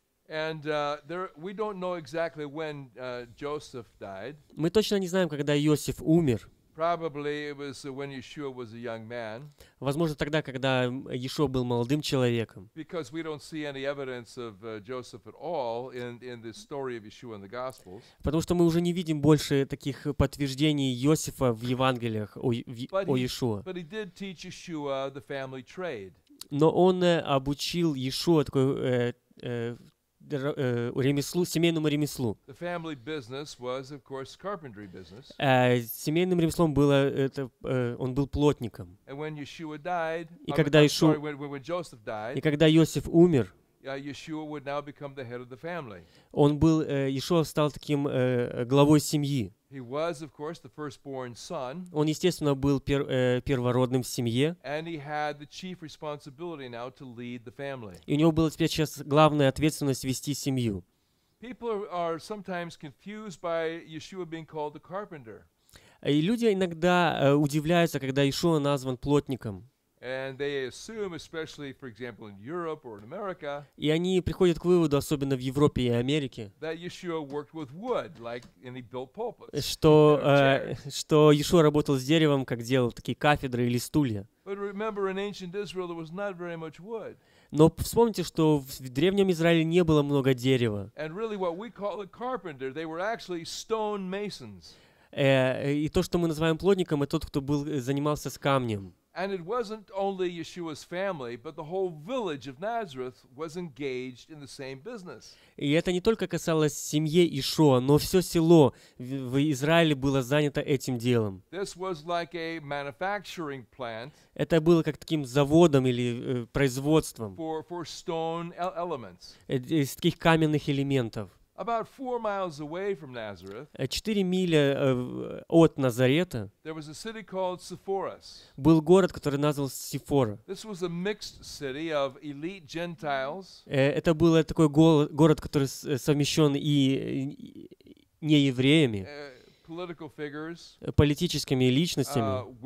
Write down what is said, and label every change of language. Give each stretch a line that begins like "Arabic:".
English: And we don't know exactly when Joseph died.
Russian: Мы точно не знаем, когда Иосиф умер.
English: Probably it was when Yeshua was a young man.
Russian: Возможно, тогда, когда Иешуа был молодым человеком.
English: Because we don't see any evidence of Joseph at all in the story of Yeshua in the Gospels.
Russian: Потому что мы уже не видим больше таких подтверждений Иосифа в Евангелиях о Иешуа.
English: But he did teach Yeshua the family trade.
Russian: Но он обучил Иешуа такой ремеслу, семейному ремеслу.
English: The family business was, of course, carpentry business.
Russian: Семейным ремеслом было это, он был плотником.
English: And when Yeshua died,
Russian: и когда
English: when Joseph died,
Russian: и когда Иосиф умер,
English: Yeshua would now become the head of the family.
Russian: Он был, Иешуа стал таким главой семьи.
English: He was, of course, the firstborn son.
Russian: Он, естественно, был первородным в семье.
English: And he had the chief responsibility now to lead the family.
Russian: И у него была теперь сейчас главная ответственность вести семью.
English: People are sometimes confused by Yeshua being called the carpenter.
Russian: И люди иногда удивляются, когда Иешуа назван плотником.
English: And they assume, especially, for example, in Europe or in America,
Russian: и они приходят к выводу, особенно в Европе и Америке,
English: that Yeshua worked with wood, like, and he built pulpits.
Russian: Что Иешуа работал с деревом, как делал такие кафедры или стулья.
English: But remember, in ancient Israel, there was not very much wood.
Russian: Но вспомните, что в древнем Израиле не было много дерева.
English: And really, what we call a carpenter, they were actually stone masons.
Russian: И то, что мы называем плотником, это тот, кто был занимался с камнем.
English: And it wasn't only Yeshua's family, but the whole village of Nazareth was engaged in the same business.
Russian: И это не только касалось семьи Иешуа, но все село в Израиле было занято этим делом.
English: This was like a manufacturing plant.
Russian: Это было как таким заводом или производством.
English: For stone elements.
Russian: Из таких каменных элементов.
English: About 4 miles away from Nazareth,
Russian: 4 мили от Назарета,
English: there was a city called Sepphoris.
Russian: Был город, который назывался Сефора.
English: This was a mixed city of elite Gentiles.
Russian: Это был такой город, который совмещен и не евреями,
English: political figures,
Russian: политическими личностями,